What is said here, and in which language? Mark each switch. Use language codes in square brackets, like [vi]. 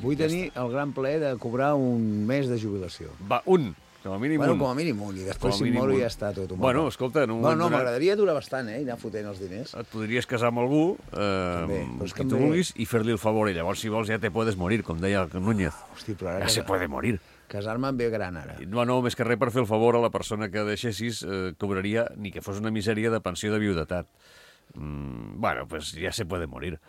[ca] Vull tenir el gran plaer de cobrar un mes de jubilació. Va, un. Com a mínim, bueno, un. Com a mínim un. I després, si moro, ja està tot. Bueno, escolta, no, no, m'agradaria durar bastant, anar fotent els diners. Et podries casar amb algú, amb qui tu vulguis, i fer-li el favor. I llavors, si vols, ja te puedes morir, com deia el Núñez. Hosti, però ara... [es] Ja se puede morir. [ca] Casar-me amb ve gran, ara. No, més que res, per fer el favor a la persona que deixessis, cobraria, ni que fos una misèria, de pensió de viudetat. [es] Bueno, pues ya se puede morir.